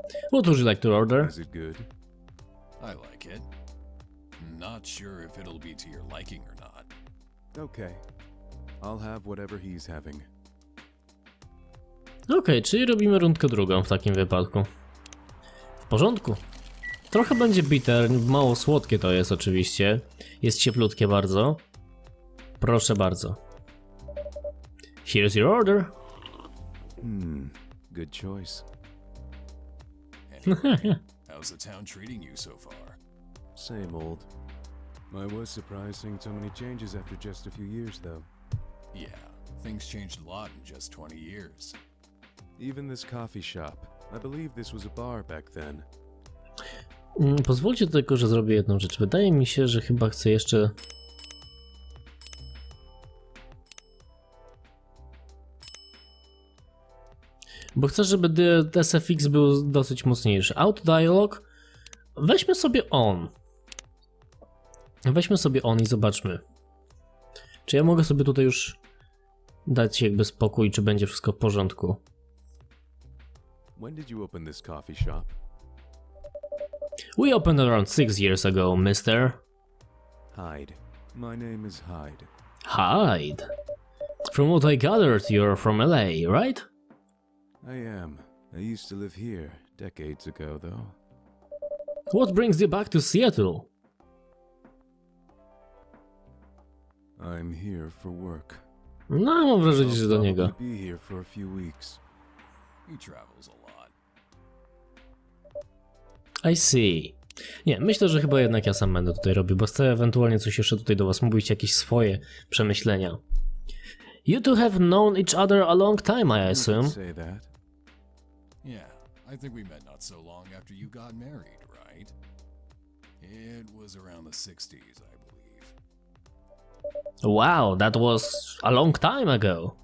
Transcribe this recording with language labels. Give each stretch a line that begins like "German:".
English: What would you like to order? Is it good? I like it. Not sure if it'll be to your liking or not. Okay. I'll have whatever he's having.
Polish: Okay, czyli robimy rundkę drugą w takim wypadku. W porządku. Trochę będzie bitter, mało słodkie to jest oczywiście. Jest cieplutkie bardzo. Proszę bardzo.
English: Here's your order. Good choice. How's the town treating you so far? Same old. I was surprised seeing so many changes after just a few years, though. Yeah, Things changed a lot in just 20 years. Even this coffee shop. I believe this was a bar back then.
Polish: Pozwólcie tylko, że zrobię jedną rzecz. Wydaje mi się, że chyba chcę jeszcze... Bo chcę, żeby SFX był dosyć mocniejszy. Auto dialog. Weźmy sobie on. Weźmy sobie on i zobaczmy. Czy ja mogę sobie tutaj już dać jakby spokój, czy będzie wszystko w porządku.
English: When did you open this coffee shop? We opened around 6 years ago, mister. Hyde. My name is Hyde. Hyde. From what I gathered, you're from LA, right? I am. I used to live here decades ago, though. What brings you back to Seattle? I'm here for work.
Polish: No, mam wrażenie, że do niego.
English: Be here for a few weeks. He travels a lot. I see.
Polish: Nie, myślę, że chyba jednak ja sam będę tutaj robił, bo chcę ewentualnie coś jeszcze tutaj do was mówić, jakieś swoje przemyślenia.
English: You two have known each other a long time, I assume. Yeah, I think we met not so long after you got married, right? It was around the 60s, I believe. Wow, that was a long time ago.